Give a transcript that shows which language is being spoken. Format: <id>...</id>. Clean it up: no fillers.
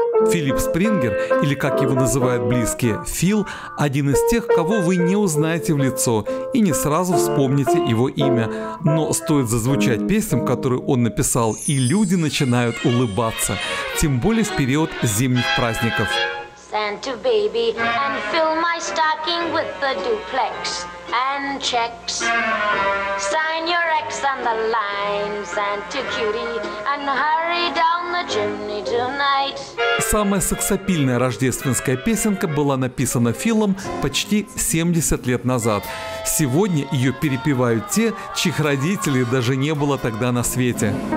<ru>Филип Спрингер, или как его называют близкие, Фил, один из тех, кого вы не узнаете в лицо и не сразу вспомните его имя. Но стоит зазвучать песням, которые он написал, и люди начинают улыбаться, тем более в период зимних праздников.</ru> <en>Santa baby, and fill my stocking with the duplex and checks. Sign your X on the line, Santa cutie, and hurry down the chimney tonight.</en> <ru>Самая сексапильная рождественская песенка была написана Филом почти 70 лет назад. Сегодня ее перепевают те, чьих родителей даже не было тогда на свете.</ru>